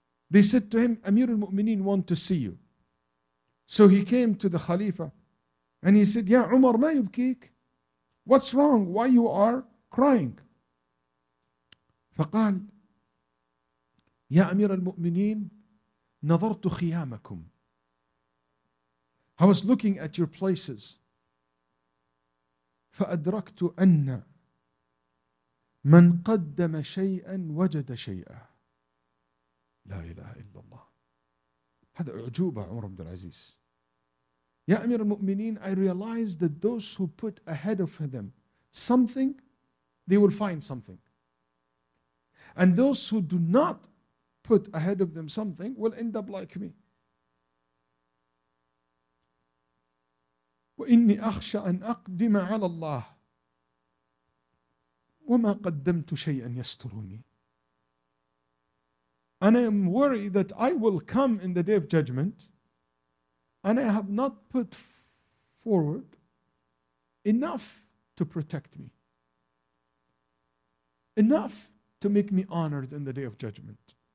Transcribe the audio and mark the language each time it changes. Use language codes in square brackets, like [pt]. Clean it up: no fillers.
[en] They said to him, Amir al-Mu'mineen want to see you. So he came to the Khalifa and he said, [ar] Ya Umar, ma yubkik? [en] What's wrong? Why you are crying? [ar] فقال, Ya Amir al-Mu'mineen, نظرت خيامكم. [en] I was looking at your places. [ar] فأدركت أن من قدم شيئا وجد شيئا. لا إله إلا الله. هذا أعجوبة عمر بن العزيز. يا أمير المؤمنين, [en] I realized that those who put ahead of them something, they will find something. And those who do not put ahead of them something will end up like me. [ar] وإني أخشى أن أقدم على الله وما قدمت شيئا يستروني. [en] And I am worried that I will come in the day of judgment and I have not put forward enough to protect me, enough to make me honored in the day of judgment.